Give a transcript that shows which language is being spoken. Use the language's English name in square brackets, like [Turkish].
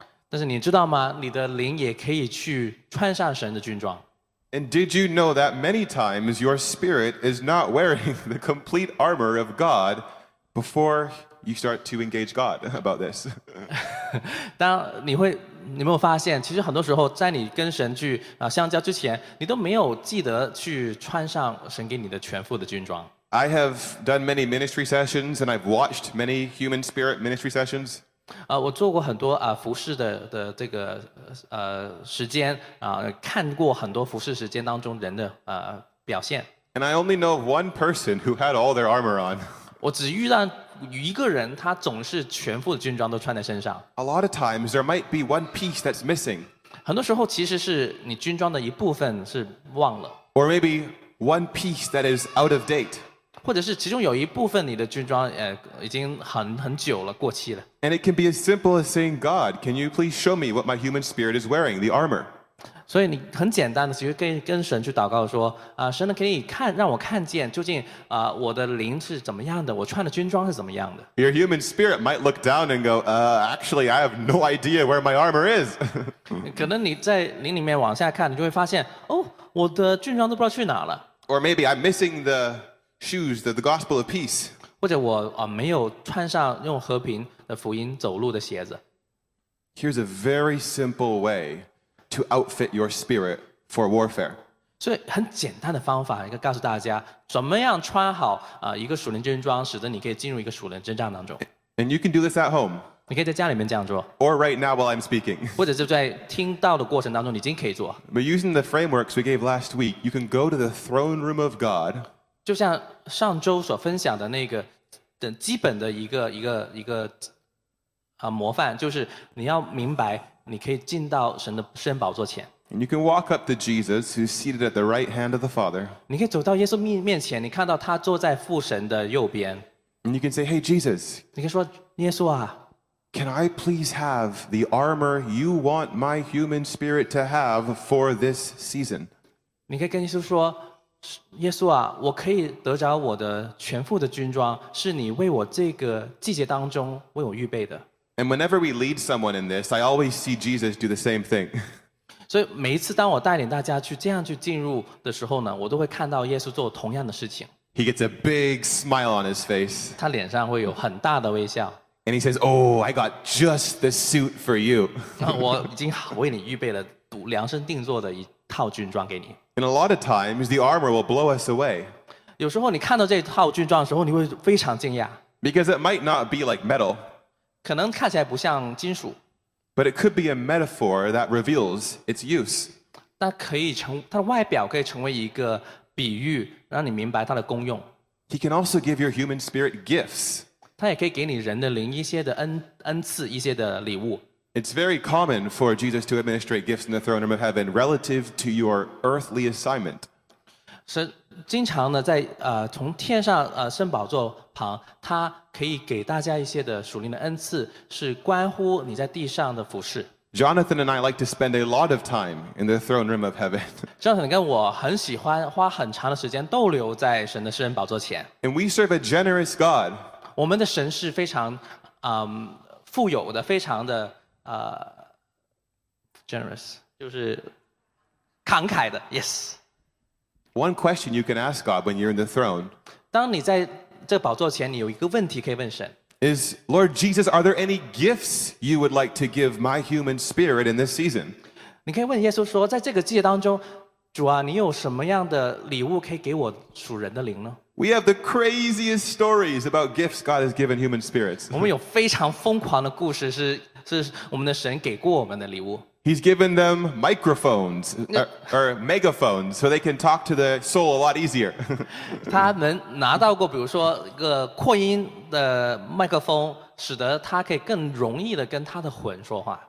[Chinese] 但是你知道吗？你的灵也可以去穿上神的军装。 [English] And did you know that many times your spirit is not wearing the complete armor of God before you start to engage God about this? [Chinese] 当你没有发现，其实很多时候在你跟神去相交之前，你都没有记得去穿上神给你的全副的军装。 [English] I have done many ministry sessions and I've watched many human spirit ministry sessions. [Chinese] 我做过很多服事的这个时间看过很多服事时间当中人的表现。 [English] And I only know one person who had all their armor on. [Chinese] 我只遇到一个人他总是全副的军装都穿在身上。 [English] A lot of times there might be one piece that's missing. [Chinese] 很多时候其实是你军装的一部分是忘了。 [English] Or maybe one piece that is out of date. [Chinese] 或者是其中有一部分你的军装已经很久了过期了。 [English] And it can be as simple as saying, God, can you please show me what my human spirit is wearing, the armor? [Chinese] 所以你很简单的其实跟神去祷告说神可以让我看见究竟我的灵是怎么样的我穿的军装是怎么样的。 [English] Your human spirit might look down and go, actually, I have no idea where my armor is. [Chinese] 可能你在灵里面往下看你就会发现哦我的军装都不知道去哪了。 [English] Or maybe I'm missing the shoes the gospel of peace. [Chinese] 或者我没有穿上用和平的福音走路的鞋子。 [English] Here's a very simple way to outfit your spirit for warfare. [Chinese] 所以很简单的方法，一个告诉大家怎么样穿好一个属灵军装，使得你可以进入一个属灵征战当中。 [English] And you can do this at home. [Chinese] 你可以在家里面这样做。 [English] Or right now while I'm speaking. [Chinese] 或者是在听到的过程当中，你已经可以做。 [English] But using the frameworks we gave last week, you can go to the throne room of God. [Chinese] 就像上周所分享的那个的基本的一个模范就是你要明白你可以进到神的施恩宝座前。 [English] And you can walk up to Jesus who's seated at the right hand of the Father. [Chinese] 你可以走到耶稣面前你看到他坐在父神的右边。 [English] And you can say, hey Jesus. [Chinese] 你可以说耶稣啊。 [English] Can I please have the armor you want my human spirit to have for this season? [Chinese] 你可以跟耶稣说耶稣啊我可以得着我的全副的军装是你为我这个季节当中为我预备的。 [English] And whenever we lead someone in this, I always see Jesus do the same thing. [Chinese] 所以每一次当我带领大家去这样去进入的时候呢我都会看到耶稣做同样的事情。 [English] He gets a big smile on his face. [Chinese] 他脸上会有很大的微笑。 [English] And he says, oh, I got just the suit for you. [Chinese] 我已经为你预备了量身定做的一套军装给你。 [English] And a lot of times, the armor will blow us away. [Chinese] 有时候你看到这套军装的时候，你会非常惊讶。 [English] Because it might not be like metal. [Chinese] 可能看起来不像金属。 [English] But it could be a metaphor that reveals its use. [Chinese] 它的外表可以成为一个比喻，让你明白它的功用。 [English] He can also give your human spirit gifts. [Chinese] 它也可以给你人的灵一些的恩赐，一些的礼物。 [English] It's very common for Jesus to administrate gifts in the throne room of heaven relative to your earthly assignment. [Chinese] 经常呢在从天上圣宝座旁他可以给大家一些的属灵的恩赐是关乎你在地上的服事。 [English] Jonathan and I like to spend a lot of time in the throne room of heaven. [Chinese] Jonathan 跟我很喜欢花很长的时间逗留在神的圣宝座前。 [English] And we serve a generous God. [Chinese] 我们的神是非常富有的非常的 [English] generous, [Chinese] 就是慷慨的 yes. [English] One question you can ask God when you're in the throne. [Chinese] 当你在这宝座前，你有一个问题可以问神。 [English] Is Lord Jesus, are there any gifts you would like to give my human spirit in this season? [Chinese] 你可以问耶稣说，在这个季节当中，主啊，你有什么样的礼物可以给我属人的灵呢？ [English] We have the craziest stories about gifts God has given human spirits. [Chinese] 我们有非常疯狂的故事，是我们的神给过我们的礼物。 [English] He's given them microphones or megaphones so they can talk to the soul a lot easier. [Chinese] 他能拿到过比如说一个扩音的麦克风使得他可以更容易的跟他的魂说话。